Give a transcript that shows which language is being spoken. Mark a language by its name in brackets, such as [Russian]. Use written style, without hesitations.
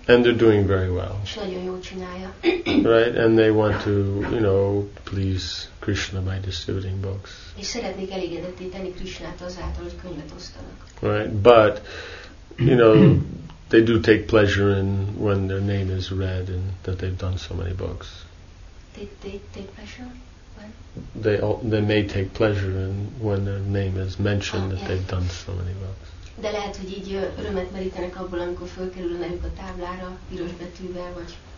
[English] And they're doing very well. [Hungarian] És nagyon jól csinálja. [English] Right? And they want to, you know, please Krishna by distributing books. [Hungarian] És szeretnék elégedetté tenni Krishnát azáltal, hogy könyvet osztanak. [English] Right, but, you know, they do take pleasure in when their name is read and that they've done so many books. They take pleasure? When? They may take pleasure in when their name is mentioned that they've done so many books. [Hungarian] De lehet, hogy így örömet merítenek abból, amikor fölkerül a nevük a táblára, piros betűvel, vagy